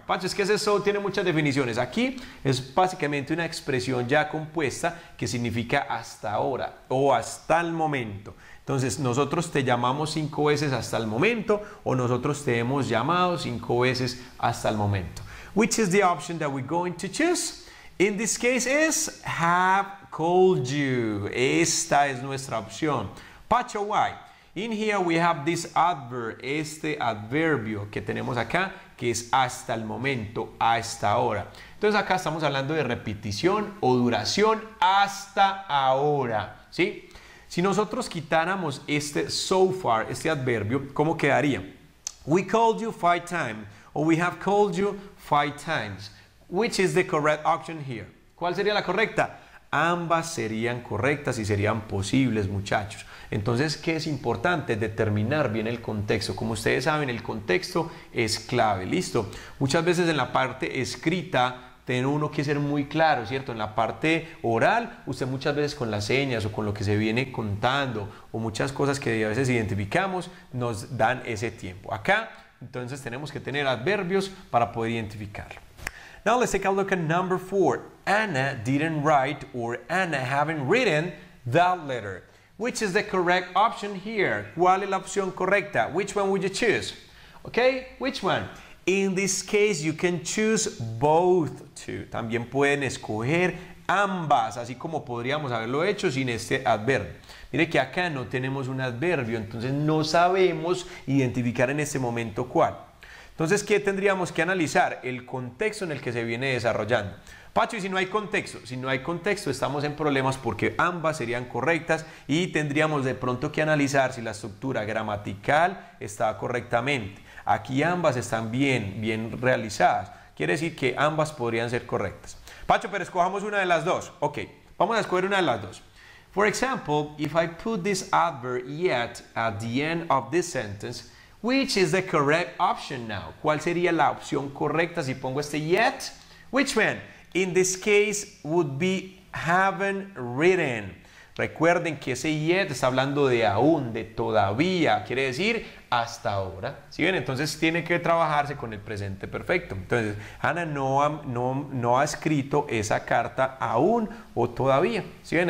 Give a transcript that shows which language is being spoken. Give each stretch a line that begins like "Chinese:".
Spanish: Pacho, es que ese so tiene muchas definiciones. Aquí es básicamente una expresión ya compuesta que significa hasta ahora o hasta el momento. Entonces, nosotros te llamamos 5 veces hasta el momento, o nosotros te hemos llamado 5 veces hasta el momento.
English: Which is the option that we're going to choose? In this case is have called you.
Spanish: Esta es nuestra opción. Pacho,
English: why? In here we have this adverb,
Spanish: este adverbio que tenemos acá, que es hasta el momento, hasta ahora. Entonces, acá estamos hablando de repetición o duración hasta ahora. ¿Sí? Si nosotros quitáramos este so far, este adverbio, ¿cómo quedaría?
English: We called you 5 times, or we have called you 5 times. Which is the correct option here?
Spanish: ¿Cuál sería la correcta? Ambas serían correctas y serían posibles, muchachos. Entonces, ¿qué es importante? Determinar bien el contexto. Como ustedes saben, el contexto es clave. ¿Listo? Muchas veces en la parte escrita, tiene uno que ser muy claro, ¿cierto? En la parte oral, usted muchas veces con las señas o con lo que se viene contando o muchas cosas que a veces identificamos, nos dan ese tiempo. Acá, entonces, tenemos que tener adverbios para poder identificarlo.
English: Now, let's take a look at number 4. Anna didn't write, or Anna haven't written that letter. Which is the correct option here?
Spanish: ¿Cuál es la opción correcta?
English: Which one would you choose? Okay, which one? In this case, you can choose both two.
Spanish: También pueden escoger ambas, así como podríamos haberlo hecho sin este adverbio. Mire que acá no tenemos un adverbio, entonces no sabemos identificar en este momento cuál. Entonces, ¿qué tendríamos que analizar? El contexto en el que se viene desarrollando. Pacho, ¿y si no hay contexto? Si no hay contexto, estamos en problemas porque ambas serían correctas y tendríamos de pronto que analizar si la estructura gramatical estaba correctamente. Aquí ambas están bien realizadas. Quiere decir que ambas podrían ser correctas. Pacho, pero escojamos una de las dos. Ok, vamos a escoger una de las dos.
English: For example, if I put this adverb yet at the end of this sentence, which is the correct option now?
Spanish: ¿Cuál sería la opción correcta si pongo este yet?
English: Which one? In this case would be haven't written.
Spanish: Recuerden que ese yet está hablando de aún, de todavía, quiere decir hasta ahora. ¿Sí ven? Entonces tiene que trabajarse con el presente perfecto. Entonces, Ana no ha escrito esa carta aún o todavía. ¿Sí ven?